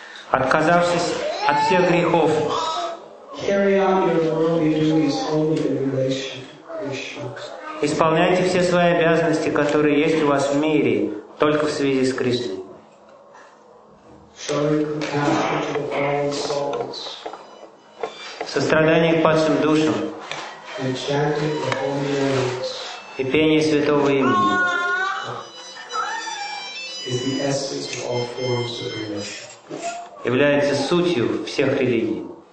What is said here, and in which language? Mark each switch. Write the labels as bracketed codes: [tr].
[ru] Отказавшись от всех грехов, [en] carry on your worldly duties only in relation to Krishna. [ru] Исполняйте все свои обязанности, которые есть у вас в мире, только в связи с Кришной. [en] Showing compassion to the fallen souls. [ru] Сострадание к падшим душам. [en] And chanting the holy names. [ru] И пение святого имени. [en] Is the essence of all forms of religion. [ru] Является сутью всех религий.